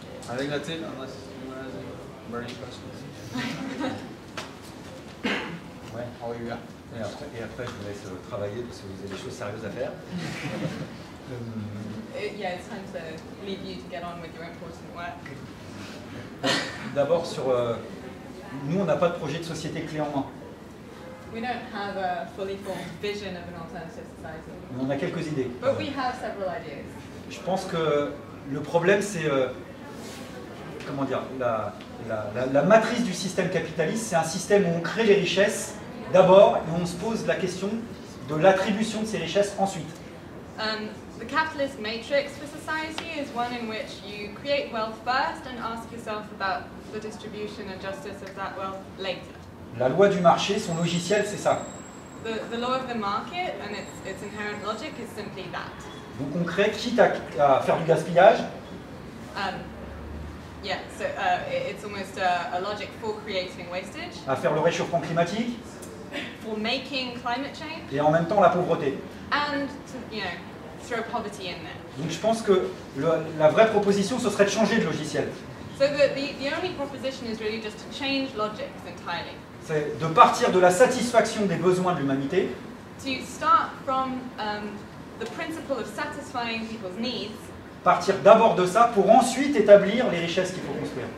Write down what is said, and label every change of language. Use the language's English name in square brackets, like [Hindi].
[English] I think that's it, unless anyone has any burning questions. [French] Ouais, oh, oui, oui. Et après, je vous laisse travailler parce que vous avez des choses sérieuses à faire. [English] Yeah, it's time to leave you to get on with your important work. [French] D'abord, sur nous, on n'a pas de projet de société clé en main. [English] We don't have a fully formed vision of an alternative society. [French] On a quelques idées. [English] But we have several ideas. [French] Je pense que le problème, c'est comment dire, la matrice du système capitaliste, c'est un système où on crée les richesses d'abord et on se pose la question de l'attribution de ces richesses ensuite. [English] The capitalist matrix for society is one in which you create wealth first and ask yourself about the distribution and justice of that wealth later. [French] La loi du marché, son logiciel, c'est ça. [English] The law of the market and its inherent logic is simply that. [French] Donc on crée quitte à faire du gaspillage. [English] Yeah, so it's almost a logic for creating wastage. [French] À faire le réchauffement climatique. [English] For making climate change. [French] Et en même temps la pauvreté. [English] And to, you know, throw poverty in there. [French] Donc je pense que la vraie proposition ce serait de changer de logiciel. [English] So the only proposition is really just to change logics entirely. [French] C'est de partir de la satisfaction des besoins de l'humanité. [English] To start from the principle of satisfying people's needs. [French] Partir d'abord de ça pour ensuite établir les richesses qu'il faut construire.